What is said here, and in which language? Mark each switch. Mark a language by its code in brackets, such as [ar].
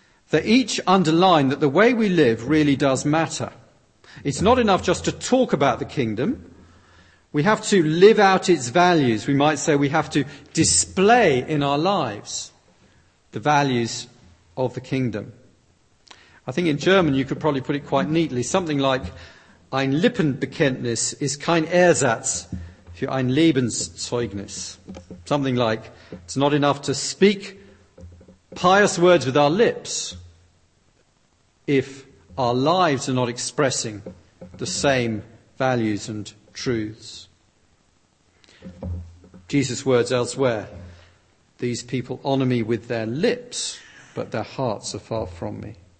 [en] They each underline that the way we live really does matter. It's not enough just to talk about the kingdom. We have to live out its values. We might say we have to display in our lives the values of the kingdom. I think in German you could probably put it quite neatly. Something like [de] Ein Lippenbekenntnis ist kein Ersatz für ein Lebenszeugnis. [en] Something like it's not enough to speak pious words with our lips if our lives are not expressing the same values and truths. Jesus' words elsewhere, "These people honour me with their lips, but their hearts are far from me."